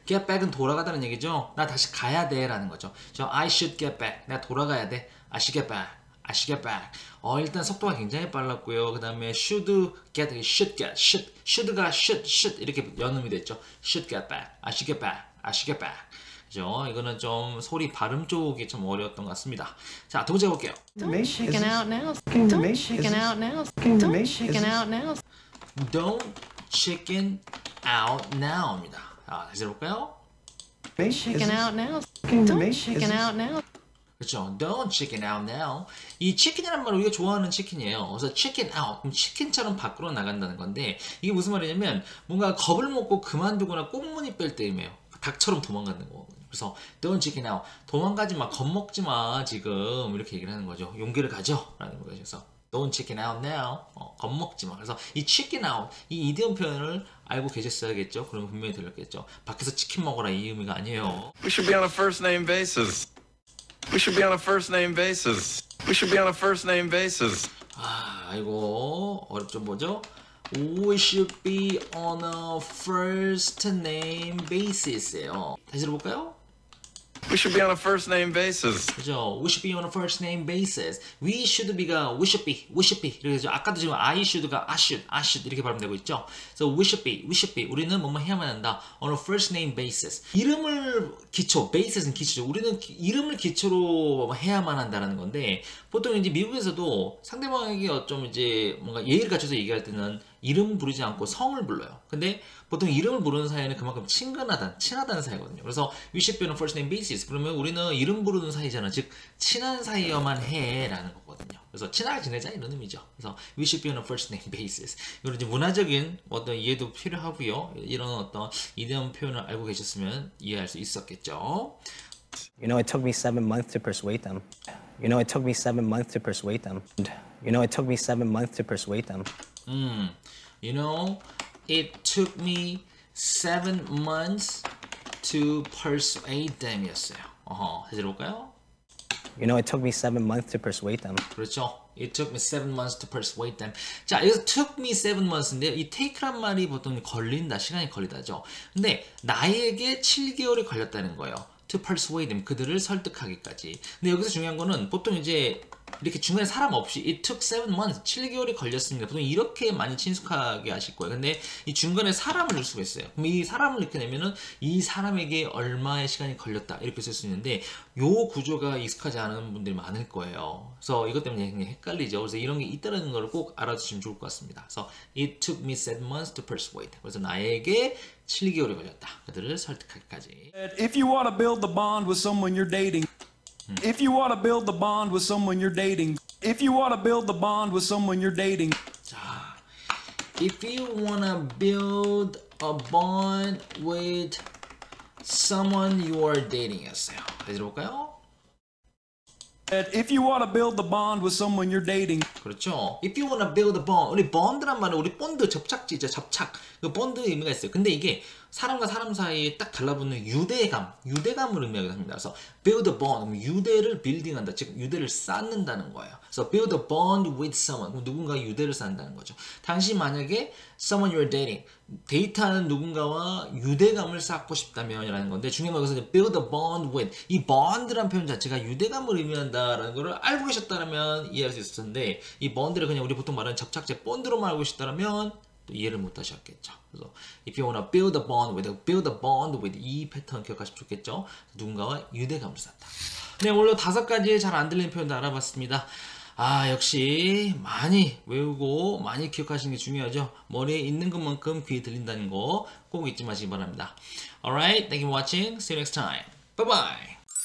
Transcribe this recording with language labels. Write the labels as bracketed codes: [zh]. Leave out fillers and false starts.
[ko] Get back은 돌아가다는 얘기죠. 나 다시 가야 돼라는 거죠. [en] 저 I should get back. [ko] 내가 돌아가야 돼. [en] I should get back. I should get back. [ko] 일단 속도가 굉장히 빨랐고요. 그다음에 should get, should get, should가 should 이렇게 연음이 됐죠. [en] Should get back. I should get back. I should get back. 그렇죠. [ko] 이거는 좀 소리 발음 쪽이 좀 어려웠던 것 같습니다. 자, 두 번째 볼게요. [en] Don't chicken out now. Don't chicken out now. Don't chicken out now. Don't chicken out now입니다. [ko] 아, 다시 해볼까요? [en] Don't chicken out now. Don't chicken out now. [ko] 그렇죠. [en] Don't chicken out now. [ko] 이 chicken이란 말은 우리가 좋아하는 chicken이에요. [en] 그래서 chicken out. [ko] 그럼 chicken처럼 밖으로 나간다는 건데, 이게 무슨 말이냐면, 뭔가 겁을 먹고 그만두거나 꽁무니 뺄 때임에요. 닭처럼 도망가는 거거든요. [en] 그래서 Don't chicken out. [ko] 도망가지 마. 겁먹지 마. 지금. 이렇게 얘기를 하는 거죠. 용기를 가져. 라는 거죠. [en] Don't chicken out now. [ko] 겁먹지 마. 그래서 이 chicken out, 이 이디엄 표현을 알고 계셨어야겠죠? 그러면 분명히 들렸겠죠? 밖에서 치킨 먹어라 이 의미가 아니에요. [en] We should be on a first name basis. We should be on a first name basis. We should be on a first name basis. [ko] 아, 아이고, 어렵죠, 뭐죠? [en] We should be on a first name basis예요. [ko] 다시 들어볼까요? [en] We should be on a first name basis. [ko] 그죠? [en] We should be on a first name basis. We should be가 we should be [ko] 이렇게 되죠. 아까도 지금 I should가 I should 이렇게 발음되고 있죠. So we should be 우리는 뭐뭐 해야만 한다. [en] On a first name basis. [ko] 이름을 기초, basis는 기초죠. 우리는 이름을 기초로 해야만 한다라는 건데 보통 이제 미국에서도 상대방에게 좀 이제 뭔가 예의를 갖춰서 얘기할 때는 이름 부르지 않고 성을 불러요. 근데 보통 이름을 부르는 사이에는 그만큼 친하다는 사이거든요. [en] 그래서 we should be on a first name basis. [ko] 그러면 우리는 이름 부르는 사이잖아. 즉 친한 사이여만 해라는 거거든요. 그래서 친하게 지내자 이런 의미죠. 그래서 we should be on a first name basis. 이런 이제 문화적인 어떤 이해도 필요하고요. 이런 어떤 이디엄 표현을 알고 계셨으면 이해할 수 있었겠죠. [en] You know, it took me 7 months to persuade them. You know, it took me 7 months to persuade them. You know, it took me 7 months to persuade them. You know, it took me 7 months to persuade them 이었어요. [ko] 다시 들어볼까요? [en] You know, it took me 7 months to persuade them. [ko] 그렇죠. [en] It took me 7 months to persuade them. [ko] 자, 여기서 took me 7 months인데요. 이 take란 말이 보통 걸린다, 시간이 걸리다죠. 근데 나에게 7개월이 걸렸다는 거예요. [en] To persuade them, [ko] 그들을 설득하기까지. 근데 여기서 중요한 거는 보통 이제 이렇게 중간에 사람 없이 it took 7 months, 7개월이 걸렸습니다. 보통 이렇게 많이 친숙하게 아실 거예요. 근데 이 중간에 사람을 넣을 수가 있어요. 그럼 이 사람을 이렇게 내면은 이 사람에게 얼마의 시간이 걸렸다 이렇게 쓸수 있는데 요 구조가 익숙하지 않은 분들이 많을 거예요. 그래서 이것 때문에 굉장히 헷갈리죠. 그래서 이런 게 있다는 걸꼭 알아두시면 좋을 것 같습니다. [en] 그래서 it took me 7 months to persuade. [ko] 그래서 나에게 7개월이 걸렸다. 그들을 설득하기까지. [en] If you want to build the bond with someone you're dating, if you want to build the bond with someone you're dating, if you want to build the bond with someone you're dating, 자, if you want to build a bond with someone you are dating, 했어요. [ko] 다시 들어볼까요? [en] If you want to build the bond with someone you're dating. [ko] 그렇죠. [en] If you want to build a bond. [ko] 우리 bond란 말은 우리 bond 접착지죠. 접착. 그 bond의 의미가 있어요. 근데 이게 사람과 사람 사이에 딱 달라붙는 유대감. 유대감을 의미하기도 합니다. 그래서 build a bond. 유대를 빌딩한다. 즉, 유대를 쌓는다는 거예요. 그래서 build a bond with someone. 누군가 유대를 쌓는다는 거죠. 당신 만약에 [en] someone you're dating. [ko] 데이트하는 누군가와 유대감을 쌓고 싶다면 이라는 건데 중요한 건 여기서 build a bond with 이 bond란 표현 자체가 유대감을 의미한다라는 걸 알고 계셨다면 이해할 수 있을 텐데 이 bond를 그냥 우리 보통 말하는 접착제 bond로만 알고 계셨다면 또 이해를 못 하셨겠죠. [en] 그래서 if you wanna build a bond with, build a bond with 이 패턴 기억하시면 좋겠죠. [ko] 누군가와 유대감을 쌓다. 네, 오늘 다섯 가지의 잘안 들리는 표현도 알아봤습니다. 아, 역시 많이 외우고 많이 기억하시는 게 중요하죠. 머리에 있는 것만큼 귀에 들린다는 거꼭 잊지 마시기 바랍니다. [en] Alright, thank you for watching. See you next time. Bye bye.